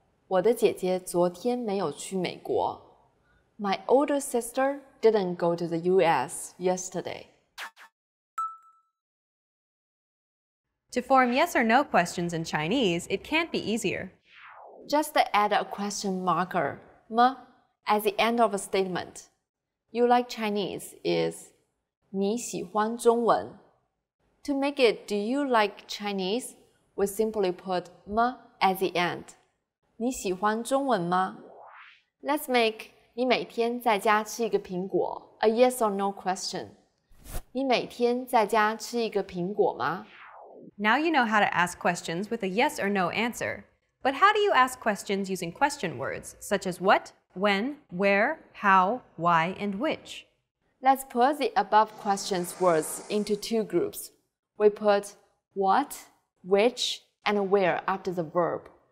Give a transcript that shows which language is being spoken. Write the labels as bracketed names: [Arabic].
[Chinese] 我的姐姐昨天没有去美国。 [English] My older sister didn't go to the US yesterday. To form yes or no questions in Chinese, it can't be easier. Just add a question marker, 么, at the end of a statement. You like Chinese is [Chinese] 你喜欢中文。 [English] To make it, do you like Chinese? We simply put 么 at the end. [Chinese] 你喜欢中文吗? [English] Let's make [Chinese] 你每天在家吃一个苹果 [English] a yes or no question. [Chinese] 你每天在家吃一个苹果吗? [English] Now you know how to ask questions with a yes or no answer. But how do you ask questions using question words, such as what, when, where, how, why, and which? Let's put the above questions words into two groups. We put what, which, and where after the verb.